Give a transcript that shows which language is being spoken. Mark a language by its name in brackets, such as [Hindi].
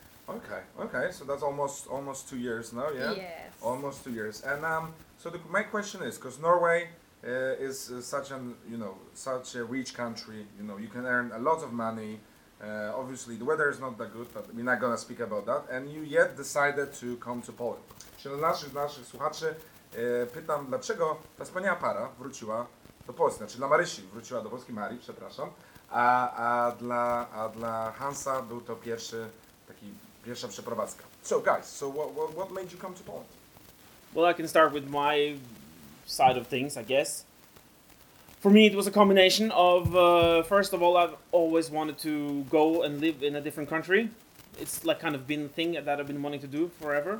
[English] Okay. So that's almost 2 years now, yeah? Yes. Almost 2 years. And my question is, because Norway is such a rich country, you know, you can earn a lot of money. Obviously, the weather is not that good, but we're not going to speak about that. And you yet decided to come to Poland. [Polish] Czyli naszych słuchaczy pytam, dlaczego ta wspaniała para wróciła do Polski, znaczy dla Marysi wróciła do Polski, Marii, przepraszam, a dla Hansa był to pierwsza przeprowadzka. [English] So guys, so what made you come to Poland? Well, I can start with my side of things, I guess. For me, it was a combination of, first of all, I've always wanted to go and live in a different country. It's like kind of been a thing that I've been wanting to do forever.